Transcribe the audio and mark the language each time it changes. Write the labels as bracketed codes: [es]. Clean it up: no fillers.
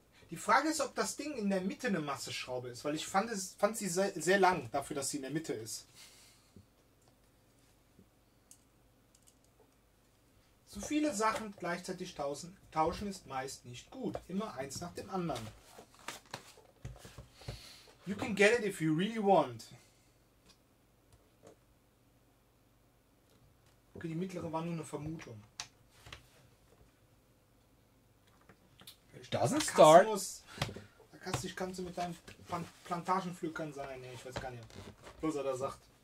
[de] Die Frage ist, ob das Ding in der Mitte eine Masseschraube ist, weil ich fand sie sehr, sehr lang dafür, dass sie in der Mitte ist. Zu viele Sachen gleichzeitig tauschen ist meist nicht gut. Immer eins nach dem anderen. [en] You can get it if you really want. [de] Okay, die mittlere war nur eine Vermutung. [en] Doesn't start. [de] Sarkastisch kannst du mit deinen Plantagenpflückern sein. Nee, ich weiß gar nicht, was er da sagt.